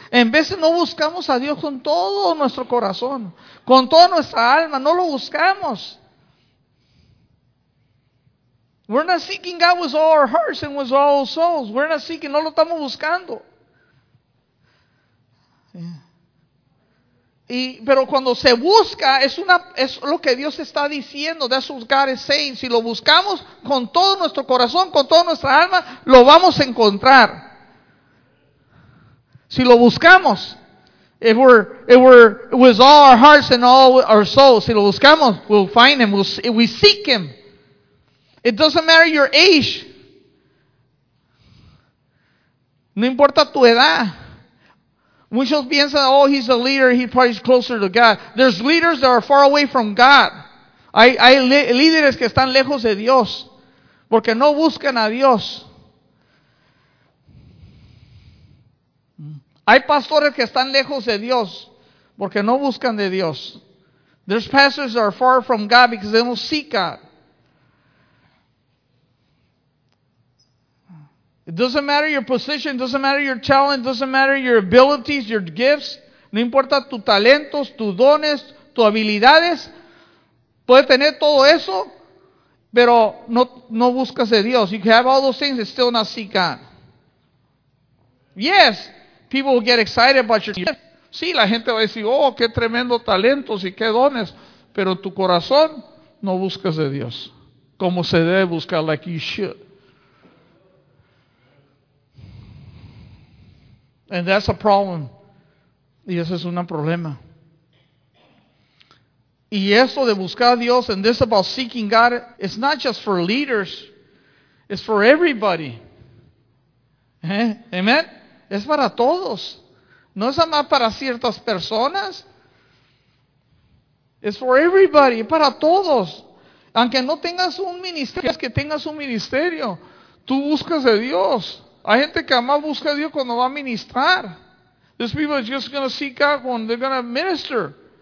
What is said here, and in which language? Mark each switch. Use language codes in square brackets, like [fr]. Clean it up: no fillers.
[es] En veces no buscamos a Dios con todo nuestro corazón, con toda nuestra alma, no lo buscamos. [en] We're not seeking God with all our hearts and with all our souls. We're not seeking, [es] no lo estamos buscando. Yeah. Pero cuando se busca, es lo que Dios está diciendo, [en] that's what God is saying. [es] Si lo buscamos con todo nuestro corazón, con toda nuestra alma, lo vamos a encontrar. Si lo buscamos, if we're with all our hearts and all our souls, si lo buscamos, we'll find him. [en] We seek him. It doesn't matter your age. [es] No importa tu edad. Muchos piensan, oh, [en] he's a leader. He probably is closer to God. There's leaders that are far away from God. [es] Hay líderes que están lejos de Dios porque no buscan a Dios. Hay pastores que están lejos de Dios porque no buscan de Dios. [en] There's pastors that are far from God because they don't seek God. It doesn't matter your position, it doesn't matter your talent, it doesn't matter your abilities, your gifts. [es] No importa tus talentos, tus dones, tus habilidades. Puedes tener todo eso, pero no buscas de Dios. [en] You can have all those things and still not seek God. Yes. People will get excited about your talent. [es] Sí, la gente va a decir, oh, qué tremendo talentos y qué dones. Pero tu corazón no buscas de Dios. Como se debe buscar, [en] like you should. And that's a problem. [es] Y ese es un problema. Y eso de buscar a Dios, [en] and this about seeking God, it's not just for leaders. It's for everybody. ¿Eh? Amen. [es] Es para todos. No es más para ciertas personas. [en] It's for everybody. [es] Para todos. Aunque no tengas un ministerio, es que tengas un ministerio. Tú buscas a Dios. Hay gente que más busca a Dios cuando va a ministrar. [en] There's people that are just going to seek God when they're going to minister.